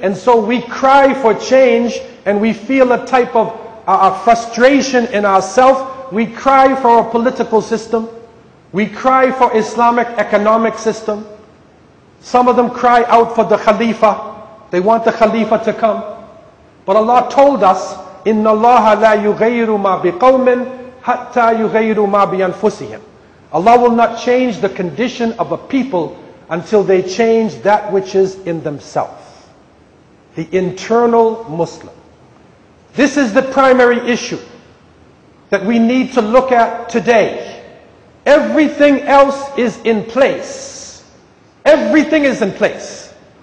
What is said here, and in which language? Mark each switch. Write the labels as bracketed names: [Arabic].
[English] And so we cry for change and we feel a type of frustration in ourselves. We cry for a political system. We cry for Islamic economic system. Some of them cry out for the Khalifa. They want the Khalifa to come. But Allah told us, [Arabic] إِنَّ اللَّهَ لَا يُغَيِّرُ مَا بِقَوْمٍ حَتَّى يُغَيِّرُ مَا بِأَنفُسِهِمْ. [English] Allah will not change the condition of a people until they change that which is in themselves. The internal Muslim. This is the primary issue that we need to look at today. Everything else is in place. Everything is in place.